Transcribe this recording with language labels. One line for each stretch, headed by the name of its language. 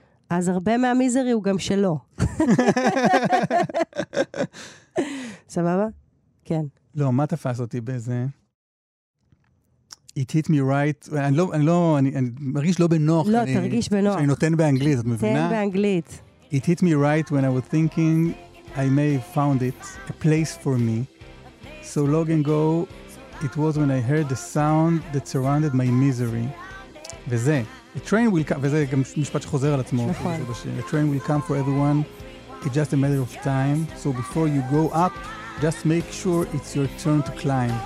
Hebrew: אז הרבה מהמיזרי הוא גם שלו. סבבה? כן. לא, מה תפס אותי בזה?
English: It hit me right.
Hebrew: אני מרגיש לא בנוח. לא, תרגיש בנוח. שאני נותן באנגלית, את מבינה? תן באנגלית.
English: It hit me right when I was thinking... I may have found it, a place for me. So long ago, it was when I heard the sound that surrounded my misery.
Hebrew: וזה,
English: a train will come,
Hebrew: וזה גם משפט שחוזר על עצמו. נכון.
English: A train will come for everyone. It's just a matter of time. So before you go up, just make sure it's your turn to climb.